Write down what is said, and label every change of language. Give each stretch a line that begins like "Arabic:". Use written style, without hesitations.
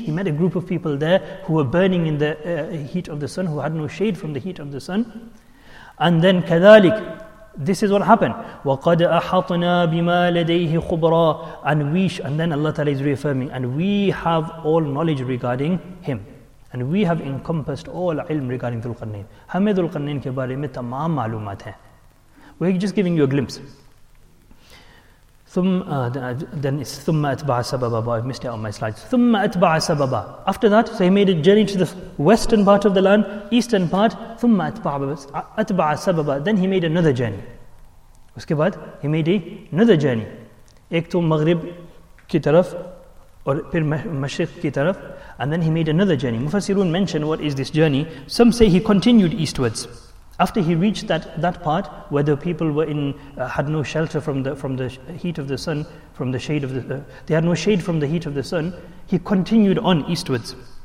English: He met a group of people there who were burning in the heat of the sun, who had no shade from the heat of the sun. And then كذلك, this is what happened.
Arabic: وَقَدْ أَحَطْنَا بِمَا لَدَيْهِ خُبْرًا.
English: And we, and then Allah Ta'ala is reaffirming, and we have all knowledge regarding him. And we have encompassed all ilm regarding Dhul-Qarnayn.
Urdu: ہمیں Dhul-Qarnayn کے بارے میں تمام معلومات ہیں.
English: We're just giving you a glimpse.
Arabic: ثُمَّ أَتْبَعَ سَبَبًا.
English: But I've missed out on my slides.
Arabic: ثُمَّ أَتْبَعَ سَبَبًا.
English: After that, so he made a journey to the western part of the land, eastern part.
Arabic: ثُمَّ أَتْبَعَ سَبَبًا.
English: Then he made another journey.
Urdu: اس کے بعد,
English: he made another journey.
Urdu: ایک تو مغرب کی طرف اور پھر مشرق کی طرف.
English: And then he made another journey. مفسرون mention what is this journey. Some say he continued eastwards. After he reached that part where the people were in had no shelter from the heat of the sun, from the shade of the they had no shade from the heat of the sun, he continued on eastwards.